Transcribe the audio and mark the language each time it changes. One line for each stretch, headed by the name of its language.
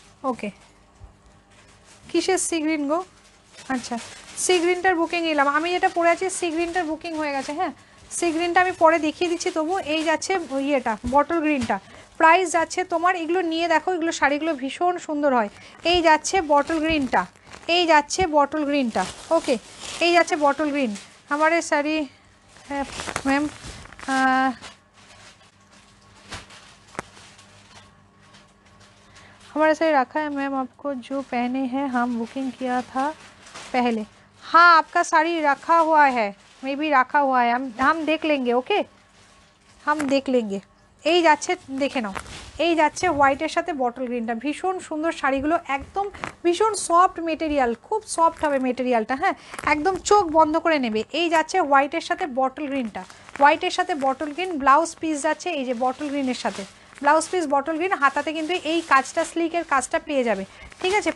Bangla: ওকে, কিসের sea green গো? আচ্ছা C গ্রিনটার booking নিলাম আমি, যেটা পড়ে আছে সি গ্রিনটার বুকিং হয়ে গেছে। হ্যাঁ সি গ্রিনটা আমি পরে দেখিয়ে দিচ্ছি, তবু এই যাচ্ছে ইয়েটা বটল গ্রিনটা, প্রাইস যাচ্ছে তোমার, এগুলো নিয়ে দেখো, এগুলো শাড়িগুলো ভীষণ সুন্দর হয়। এই যাচ্ছে বটল গ্রিনটা, এই যাচ্ছে বটল গ্রিনটা, ওকে, এই যাচ্ছে বটল গ্রিন আমার শাড়ি।
Hindi: হ্যাঁ ম্যাম, हमारे से रखा है मैम, आपको जो पहने हैं हम बुकिंग किया था पहले। हाँ आपका साड़ी रखा हुआ है, मे भी रखा हुआ है, हम देख लेंगे। ओके हम देख लेंगे।
Bangla: এই যাচ্ছে দেখে নাও, এই যাচ্ছে হোয়াইটের সাথে বটল গ্রিনটা, ভীষণ সুন্দর শাড়িগুলো, একদম ভীষণ সফট মেটেরিয়াল, খুব সফট হবে মেটেরিয়ালটা। হ্যাঁ একদম চোখ বন্ধ করে নেবে। এই যাচ্ছে হোয়াইটের সাথে বটল গ্রিনটা, হোয়াইটের সাথে বটল গ্রিন ব্লাউজ পিস যাচ্ছে, এই যে বটল গ্রিনের সাথে ব্লাউজ পিস বটল গ্রিন, হাতাতে কিন্তু এই কাজটা স্লিকের কাজটা পেয়ে যাবে, ঠিক আছে।